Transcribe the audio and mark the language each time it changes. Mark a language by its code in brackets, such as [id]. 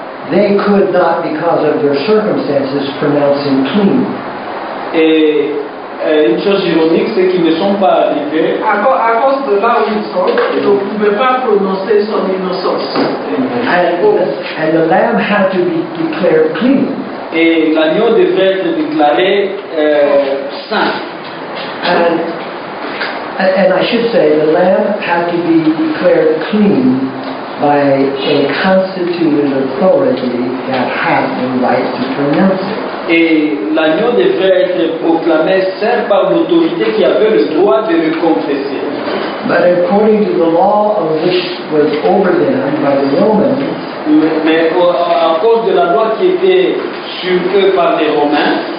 [en] They could not, because of their circumstances, pronounce him clean. [fr] Et une chose ironique, c'est qu'ils ne sont pas arrivés à cause de là où ils sont, ils ne pouvaient pas prononcer son innocence. [en] And the lamb had to be declared clean. [fr] Et l'agneau devait être déclaré saint. [en] And I should say the lamb had to be declared clean by a constituted authority that had the right to pronounce it. [fr] Et l'agneau devait être proclamé saint par l'autorité qui avait le droit de le confesser. [en] But according to the law of which was over them by the Romans, [fr] mais à cause de la loi qui était sur eux par les Romains,